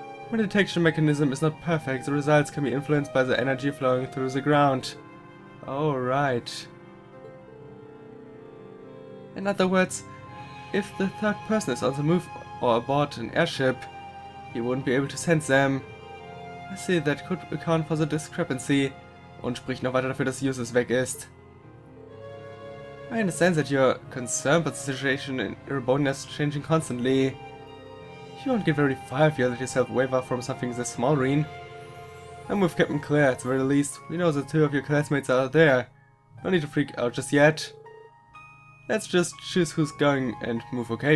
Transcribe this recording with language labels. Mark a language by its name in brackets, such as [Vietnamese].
[English] When the detection mechanism is not perfect, the results can be influenced by the energy flowing through the ground. Oh, right. In other words, if the third person is on the move or aboard an airship, he wouldn't be able to sense them. I see, that could account for the discrepancy. [German] Und spricht noch weiter dafür, dass Yusus weg ist. [English] I understand that you're concerned, but the situation in Erebonia is changing constantly. You won't get very far if you let yourself waver from something this small, Reen. I'm with Captain Claire, at the very least. We know the two of your classmates are there. No need to freak out just yet. Let's just choose who's going and move, okay?